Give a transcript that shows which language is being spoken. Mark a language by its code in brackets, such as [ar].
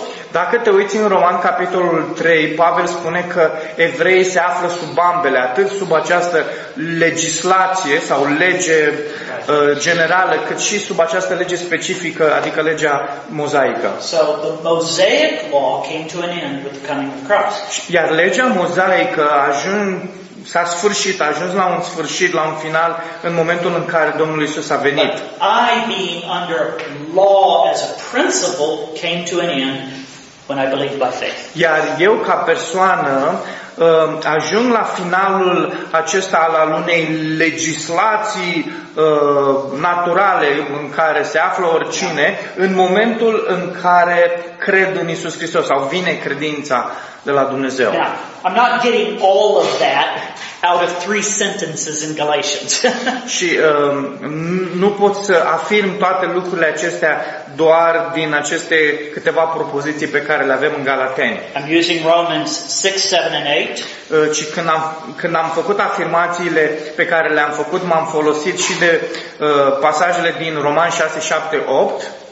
[ro] Dacă te uiți în Roman capitolul 3, Pavel spune că evreii se află sub ambele, atât sub această legislație sau lege generală, cât și sub această lege specifică, adică legea mozaică. [en] So the Mosaic law came to an end with the coming of Christ. [ro] Iar legea mozaică s-a sfârșit, a ajuns la un sfârșit, la un final, în momentul în care Domnul Iisus a venit. [en] I being under law as a principle came to an end when I believed by faith. [ro] Iar eu ca persoană ajung la finalul acesta al unei legislații naturale în care se află oricine în momentul în care cred în Iisus Hristos sau vine credința de la Dumnezeu. [en] Now, I'm not getting all of that out of three sentences in Galatians. [ro] Și nu pot să afirm toate lucrurile acestea doar din aceste câteva propoziții pe care le avem în Galateni. [en] I'm using Romans 6, 7 and 8. [ro] Ci când am făcut afirmațiile pe care le-am făcut, m-am folosit și de pasajele din Roman 6, 7, 8.